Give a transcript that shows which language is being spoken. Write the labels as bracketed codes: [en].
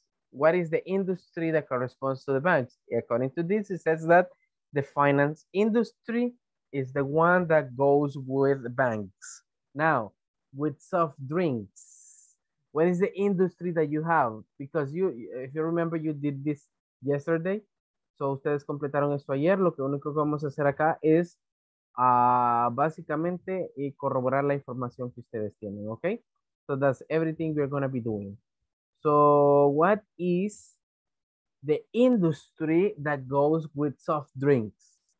[en] What is the industry that corresponds to the banks? According to this, it says that the finance industry is the one that goes with the banks. Now, with soft drinks, what is the industry that you have? Because you, if you remember, you did this yesterday. [es] So ustedes completaron esto ayer. Lo que único que vamos a hacer acá es básicamente y corroborar la información que ustedes tienen, okay? [en] So that's everything we're gonna be doing. So what is the industry that goes with soft drinks?